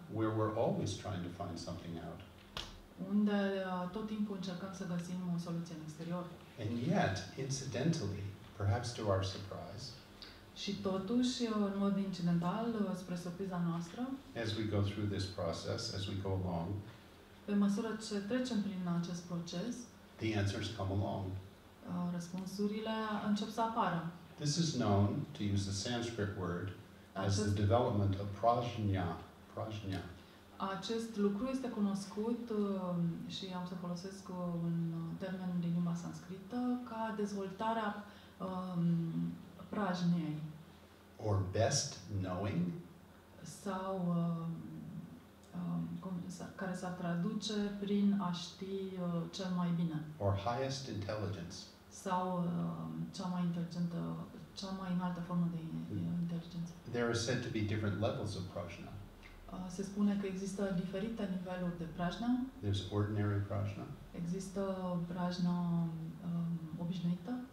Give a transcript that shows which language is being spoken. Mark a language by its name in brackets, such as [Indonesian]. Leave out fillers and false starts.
[English] Where we're always trying to find something out. [Romanian] Unde tot timpul încercăm să găsim o soluție în exterior. [English] And yet, incidentally, perhaps to our surprise, [Romanian] și totuși, în mod incidental, spre surpriza noastră, [English] as we go through this process, as we go along, [Romanian] pe măsură ce trecem prin acest proces, [English] the answers come along. [Romanian] Răspunsurile încep să apară. [English] This is known, to use the Sanskrit word, as the development of prajna, prajna. [Romanian] Acest lucru este cunoscut și am să folosesc un termen din limba sanscrită ca dezvoltarea prajniei. [English] Or best knowing. [Romanian] Sau care s-ar traduce prin a ști cel mai bine. [English] Or highest intelligence. [Romanian] Sau cea mai înaltă formă de inteligență. [English] There are said to be different levels of prajna. [Romanian] Se spune că există diferite niveluri de prajna. [English] There's ordinary prajna. [Romanian] Există prajna obișnuită,